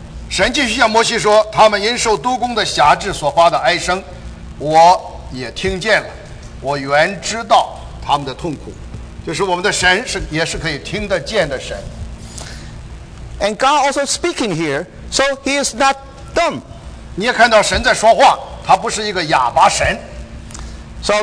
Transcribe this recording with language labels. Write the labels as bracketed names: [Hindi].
[Chinese] 神继续向摩西说，他们因受督工的辖制所发的哀声，我也听见了，我原知道他们的痛苦，就是我们的神是也是可以听得见的神。 [English] And God also speaking here, so He is not dumb. [Chinese] 你也看到神在说话，他不是一个哑巴神。 [English] So